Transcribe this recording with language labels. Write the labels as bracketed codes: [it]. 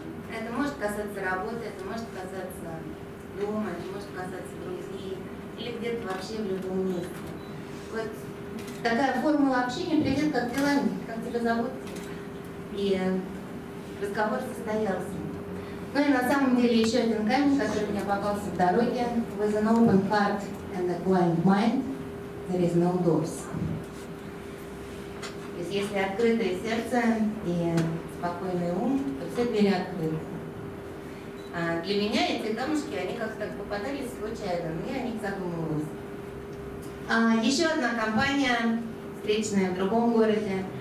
[ru] Это может касаться работы, это может касаться дома, это может касаться друзей или где-то вообще в любом месте. Вот такая формула общения: привет, как дела, как тебя зовут? И разговор состоялся. Ну и на самом деле еще один камень, который мне попался в дороге. [en] With an open heart and a blind mind, there is no doors. [ru] То есть если открытое сердце и спокойный ум, то все двери открыты. А для меня эти камушки, они как-то так попадались случайно, но я о них задумывалась. А еще одна компания, встречная в другом городе.